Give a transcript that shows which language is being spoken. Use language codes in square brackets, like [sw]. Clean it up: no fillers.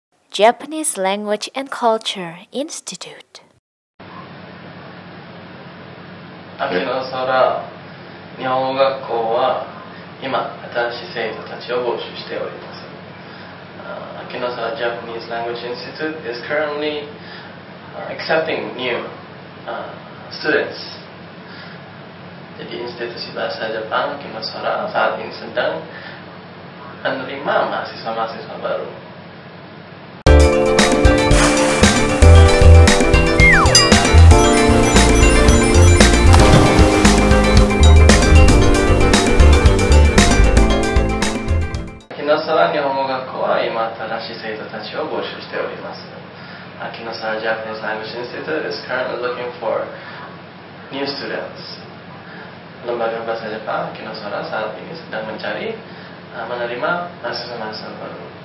[en] Japanese Language and Culture Institute. [ja] Akinasara, 日本語学校は今新しい生徒たちを募集しております。 [en] Akinasara Japanese Language Institute is currently accepting new students. [id] Jadi institusi bahasa Jepang Akinasara saat ini sedang menerima mahasiswa-mahasiswa baru. [ja] Akinasara Nihongo Gakko は今新しい生徒たちを募集しております。 [en] Akinasara Japanese Language Institute is currently looking for new students. [id] Lembaga Bahasa Jepang Akinasara saat ini sedang mencari menerima mahasiswa-mahasiswa baru.